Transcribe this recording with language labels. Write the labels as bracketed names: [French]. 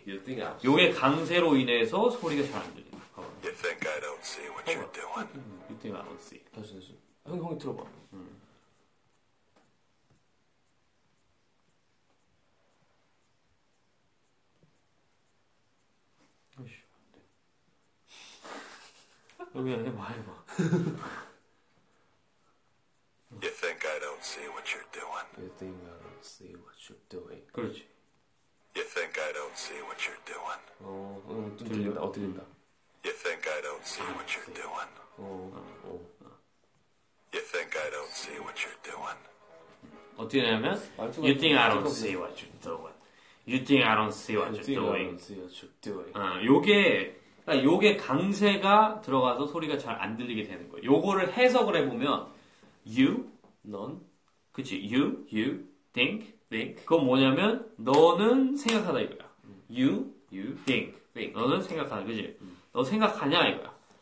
[Korean] 요게 강세로 인해서 소리가 잘 안 들려. [English] You think I don't see what you're doing. You think I don't see. [Korean] 다시. 형이 들어봐. 아이씨, 안 돼. 여기 안 해봐, 해봐. [English] You think I don't see what you're doing. You think I don't see what you're doing. [Korean] 그렇지. [English] You think I don't see what you're doing. [Korean] 들린다, 들린다. [English] You think I don't see what you're doing. You think I don't see what you're doing. [Korean] 어떻게 되냐면 [English] You think I don't see what you're doing. You think I don't see what you're doing. You think I don't see what you're doing. [Korean] 요게 강세가 들어가서 소리가 잘 안 들리게 되는 거예요. 요거를 해석을 해보면 You, 넌, 그치, you, [English] think, [Korean] 그건 뭐냐면, 너는 생각하다 이거야. [English] You, [Korean] think, 너는 생각하다, 그치? 너 생각하냐 이거야.